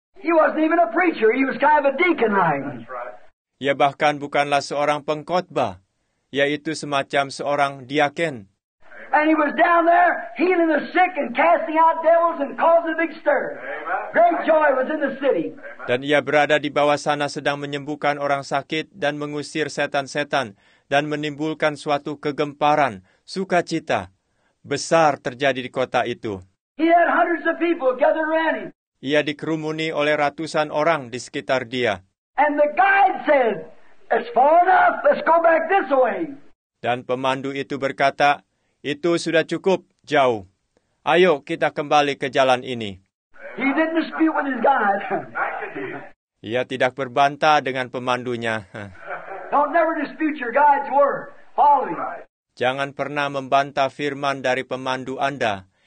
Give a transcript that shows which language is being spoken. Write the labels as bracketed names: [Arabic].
[English] He wasn't even a preacher, he was kind of a deacon like. [Indonesian] Ia bahkan bukanlah seorang pengkhotbah, yaitu semacam seorang diaken. [English] And he was down there healing the sick and casting out devils and causing a big stir. Great joy was in the city. [Indonesian] Dan ia berada di bawah sana sedang menyembuhkan orang sakit dan mengusir setan-setan dan menimbulkan suatu kegemparan, sukacita besar terjadi di kota itu. [English] He had hundreds of people gathered around him. [Indonesian] Ia dikerumuni oleh ratusan orang di sekitar dia. [English] And the guide said, "It's far enough. Let's go back this way." [Indonesian] Dan pemandu itu berkata, "Itu sudah cukup jauh. Ayo kita kembali ke jalan ini." [English] He didn't dispute with his guide. [Indonesian] Ia tidak berbantah dengan pemandunya. [English] Don't never dispute your guide's word. Follow him. [Indonesian] Jangan pernah membantah firman dari pemandu Anda.